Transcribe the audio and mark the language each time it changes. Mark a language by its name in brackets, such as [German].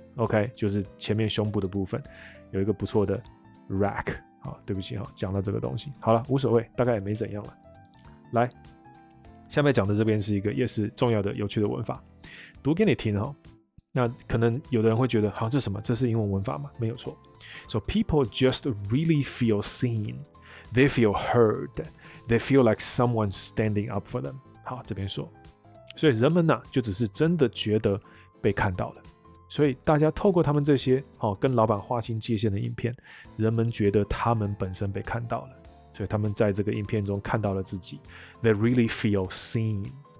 [Chinese] OK， 就是前面胸部的部分有一个不错的 rack。好，对不起哈，讲到这个东西，好了，无所谓，大概也没怎样了。来，下面讲的这边是一个也是重要的、有趣的文法，读给你听哈。那可能有的人会觉得，好，这是什么？这是英文文法吗？没有错。 [English] So people just really feel seen, they feel heard, they feel like someone standing up for them。 [Chinese] 好，这边说，所以人们呢、啊，就只是真的觉得被看到了。所以大家透过他们这些、哦、跟老板划清界限的影片，人们觉得他们本身被看到了，所以他们在这个影片中看到了自己。 [English] They really feel seen。